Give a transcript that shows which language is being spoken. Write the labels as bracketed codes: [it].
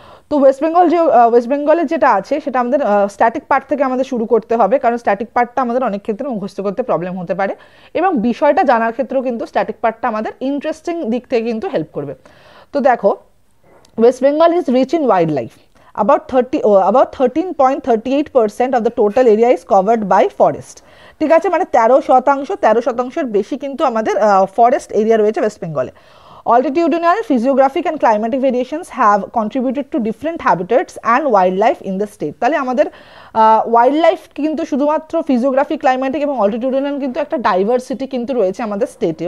[bn] তো ওয়েস্ট বেঙ্গলের যেটা আছে সেটা আমাদের স্ট্যাটিক পার্ট থেকে আমাদের শুরু করতে হবে, কারণ স্ট্যাটিক পার্টটা আমাদের অনেক ক্ষেত্রে মুখস্থ করতে প্রবলেম হতে পারে, এবং বিষয়টা জানার ক্ষেত্রেও কিন্তু স্ট্যাটিক পার্টটা আমাদের ইন্টারেস্টিং দিক থেকে কিন্তু হেল্প করবে। তো দেখো, [en] West Bengal is rich in wild life, About 13.38% of the total area is covered by forest. [bn] ঠিক আছে, মানে 13 শতাংশের বেশি কিন্তু আমাদের ফরেস্ট এরিয়া রয়েছে ওয়েস্ট বেঙ্গলে। [en] Altitudinal physiographic and climatic variations have contributed to different habitats and wild life in the state. [bn] তাহলে আমাদের ওয়াইল্ড লাইফ কিন্তু শুধুমাত্র ফিজিওগ্রাফিক, ক্লাইমেটিক এবং অল্টিটিউডিনাল কিন্তু একটা ডাইভার্সিটি কিন্তু রয়েছে আমাদের স্টেটে।